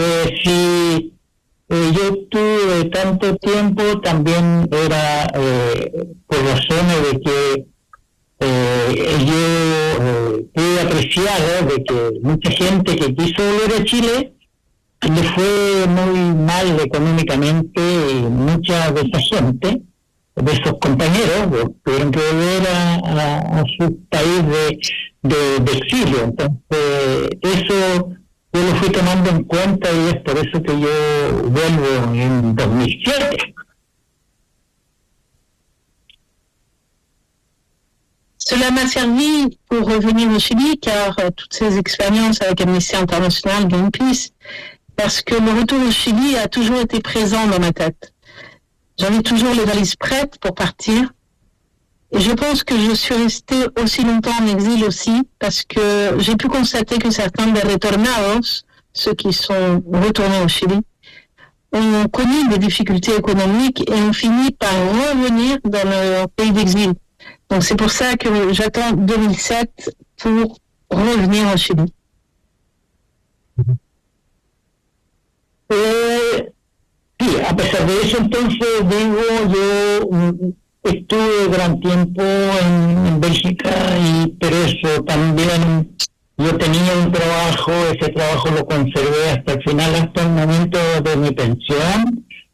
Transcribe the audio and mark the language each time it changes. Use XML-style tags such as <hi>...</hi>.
<es>Yo tuve tanto tiempo, también era por razones de que yo he apreciado de que mucha gente que quiso volver a Chile le fue muy mal económicamente, y mucha de esa gente, de esos compañeros, tuvieron que volver a su país de exilio. Entonces, eso yo lo fui tomando en cuenta y es por eso que yo vuelvo en 2007.</es> <fr>Cela m'a servi pour revenir au Chili, car toutes ces expériences avec Amnesty International, Greenpeace, parce que le retour au Chili a toujours été présent dans ma tête. J'avais toujours les valises prêtes pour partir. Et je pense que je suis restée aussi longtemps en exil aussi, parce que j'ai pu constater que certains des retornados, ceux qui sont retournés au Chili, ont connu des difficultés économiques et ont fini par revenir dans leur pays d'exil. Donc c'est pour ça que j'attends 2007 pour revenir en Chili.</fr> <es>Sí, a pesar de eso, entonces digo, yo estuve gran tiempo en Bélgica, y por eso también yo tenía un trabajo, ese trabajo lo conservé hasta el final, hasta el momento de mi pensión,</es>